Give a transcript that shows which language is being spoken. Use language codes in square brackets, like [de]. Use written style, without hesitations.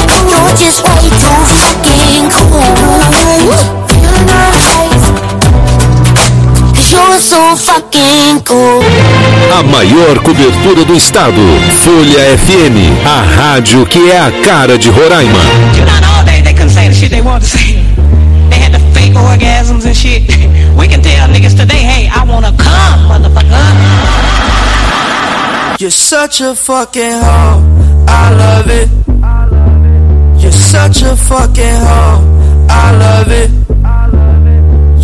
[en] You're just way too fucking cool. You're so fucking cool. [pt] A maior cobertura do estado, Folha FM, a rádio que é a cara de Roraima. [en] You know, all day they couldn't say the shit they wanted to say. They had the fake orgasms and shit. We can tell niggas today, hey, I wanna come, motherfucker. You're such a fucking hoe, I love it. You're such a fucking hoe, I love it.